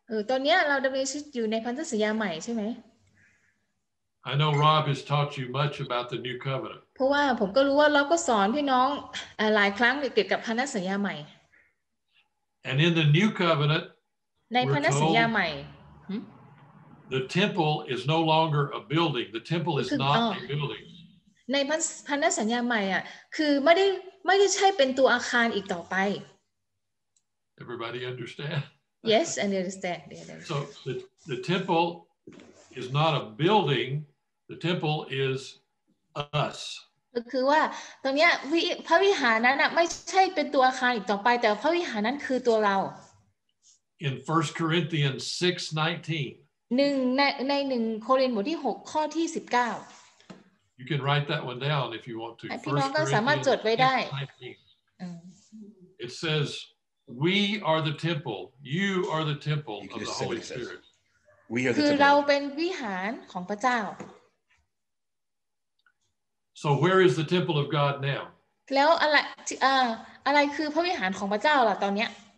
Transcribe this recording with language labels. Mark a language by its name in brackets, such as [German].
[Thai] ตอนนี้เราดำเนินชีวิตอยู่ในพันธสัญญาใหม่ใช่ไหม [English] I know Rob has taught you much about the new covenant. [Thai] เพราะว่าผมก็รู้ว่าเราก็สอนพี่น้องหลายครั้งเกี่ยวกับพันธสัญญาใหม่ [English] And in the new covenant, [Thai] ในพันธสัญญาใหม่ [English] The temple is no longer a building. The temple is not a building. [Thai] ในพันธสัญญาใหม่อ่ะคือไม่ได้ใช่เป็นตัวอาคารอีกต่อไป [English] Everybody understand? Yes, and understand. So the temple is not a building. The temple is us. [Thai] ก็คือว่าตรงเนี้ยพระวิหารนั้นไม่ใช่เป็นตัวอาคารอีกต่อไปแต่พระวิหารนั้นคือตัวเรา [English] In 1 Corinthians 6:19. [Thai] 1ใน1โครินธ์บทที่6ข้อที่19 [English] You can write that one down if you want to. [Thai] พี่น้องก็สามารถจดไว้ได้ [English] It says. We are the temple. You are the temple of the Holy Spirit. We are the temple. [Thai] คือเราเป็นวิหารของพระเจ้า [English] So where is the temple of God now? [Thai] แล้วอะไรคือพระวิหารของพระเจ้าล่ะตอนเนี้ย